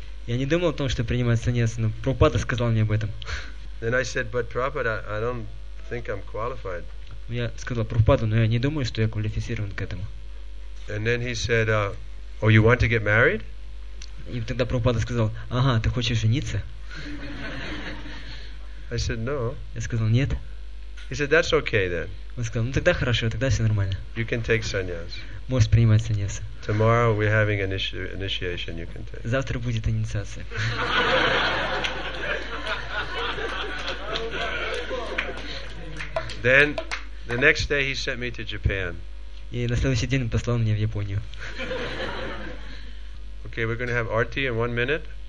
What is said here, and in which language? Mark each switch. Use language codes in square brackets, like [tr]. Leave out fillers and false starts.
[ru] Я не думал о том, что принимать саньясу, но Прабхупада сказал мне об этом. [en] Then I said, but Prabhupada, I don't think I'm qualified. [ru] Я сказал Прабхупаду, но я не думаю, что я квалифицирован к этому. [en] And then he said, "Oh, you want to get married?" [ru] И тогда Прабхупада сказал, "Ага, ты хочешь жениться?" [en] I said, "No." [ru] Я сказал, "Нет." [en] He said, "That's okay then." [ru] Он сказал, "Ну тогда хорошо, тогда все нормально." [en] You can take sannyas. [ru] Можешь принимать саньясу. [en] Tomorrow we're having initiation. You can take. [ru] Завтра будет инициация. [en] Then the next day he sent me to Japan. [ru] И на следующий день он послал меня в Японию. [en] Okay, we're going to have arti in 1 minute.